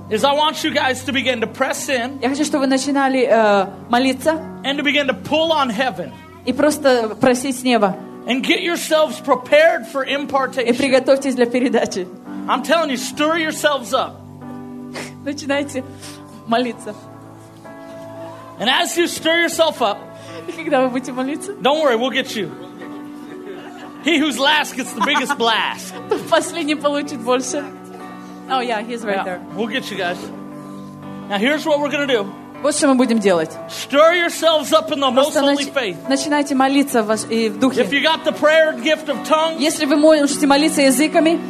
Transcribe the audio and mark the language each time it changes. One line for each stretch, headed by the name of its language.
English: Is I want you guys to begin to press in.
Russian: Я хочу, чтобы вы начинали молиться.
English: And to begin to pull on heaven.
Russian: И просто просить с неба.
English: And get yourselves prepared for impartation.
Russian: И приготовьтесь для передачи.
English: I'm telling you, stir yourselves up.
Russian: Начинайте молиться.
English: And as you stir yourself up,
Russian: когда вы будете молиться,
English: don't worry, we'll get you. He who's last gets the biggest blast.
Russian: Последний получит больше.
English: Oh yeah, he's right there. We'll get you guys. Now here's what we're gonna do.
Russian: Вот что мы будем делать.
English: Stir yourselves up in the most holy faith.
Russian: Начинайте молиться и в духе.
English: If you got the prayer gift of tongues,
Russian: если вы можете молиться языками,